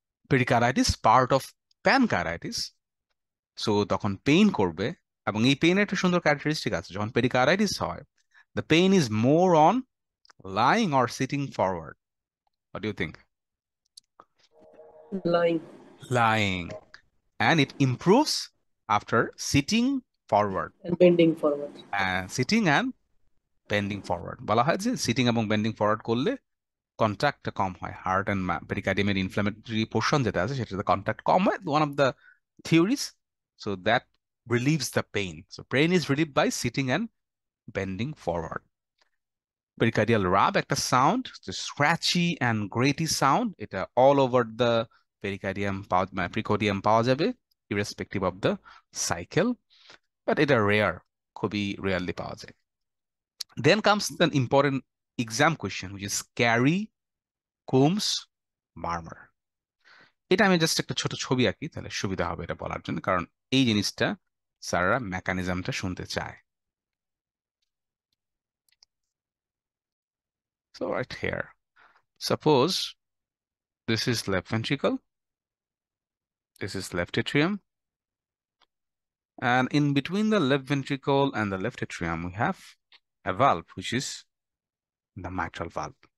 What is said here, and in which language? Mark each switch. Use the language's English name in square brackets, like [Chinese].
[English] pericarditis part of pancarditis, so [Bangla] তখন pain করবে, এবং এই পেইনের একটা সুন্দর ক্যারেক্টারিস্টিক আছে, যখন পেরিকার্ডাইটিস হয় [English] The pain is more on lying or sitting forward, what do you think? Lying lying, and it improves after sitting forward and bending forward. Sitting and bending forward. [Bangla] বলা হয় যে [English] sitting এবং bending forward করলে contact কম হয়, heart and pericardium inflammatory portion যেটা আছে সেটাতে contact কম হয়, one of the theories. So that relieves the pain. So pain is relieved by sitting and bending forward. Pericardial rub, একটা sound, the scratchy and gritty sound, এটা all over the pericardium, pericardium পাওয়া যাবে, irrespective of the cycle. [Bangla] But এটা rare, খুবই rarely পাওয়া যায়. [English] Then comes an important exam question, which is carry, combs, murmur. [Bangla] এটা আমি জাস্ট একটা ছোট ছবি আঁকি, তাহলে সুবিধা হবে এটা বলার জন্য, কারণ এই জিনিসটা স্যাররা মেকানিজমটা শুনতে চায়. [English] So right here, suppose this is left ventricle, this is left atrium, and in between the left ventricle and the left atrium, we have a valve, which is the mitral valve.